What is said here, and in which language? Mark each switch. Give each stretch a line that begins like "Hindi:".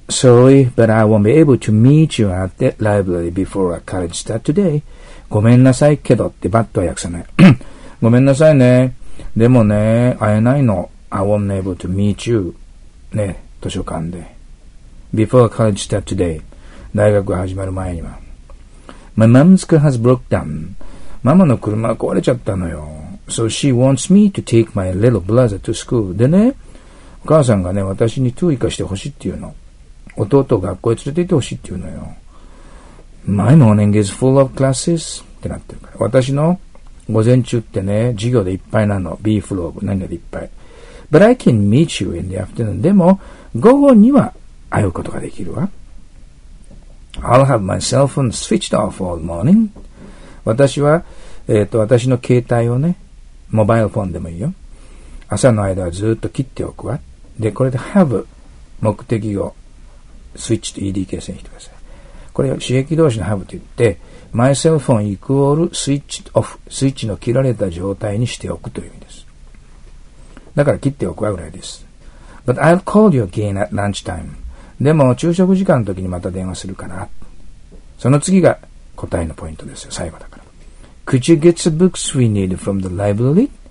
English: Sorry, but I won't be able to meet you at the library before a college start today.
Japanese: ごめんなさいけどってバットは訳さない。ごめんなさいね。でもね、会えないの。
English: I won't be able to meet you.
Japanese: ねえ、図書館で。
English: Before a college start today.
Japanese: 大学が始まる前には。
English: My mom's car has broke down.
Japanese: ママの車は壊れちゃったのよ。
English: So she wants me to take my little brother to school.
Japanese: でね、お母さんがね、私にトゥイカしてほしいっていうの。弟を学校へ連れて行ってほしいっていうのよ。
English: My morning is full of classes.
Japanese: ってなってるから。私の午前中ってね、授業でいっぱいなの。 be full of. 何々でいっぱい。
English: But I can meet you in the afternoon.
Japanese: でも、午後には会うことができるわ。
English: I'll have my cell phone switched off all morning.
Japanese: 私は、私の携帯をね、モバイルフォンでもいいよ。朝の間はずっと切っておくわ。で、これで have 目的語スイッチと ED 形成にしてください。これを刺激動詞の have と言って、my cell phone イクオールスイッチオフ、スイッチの切られた状態にしておくという意味です。だから切っておくわぐらいです。
English: But I'll call you again at lunchtime.
Japanese: でも昼食時間の時にまた電話するかな。その次が答えのポイントですよ。最後だから。
English: Could you get the books we need from the library?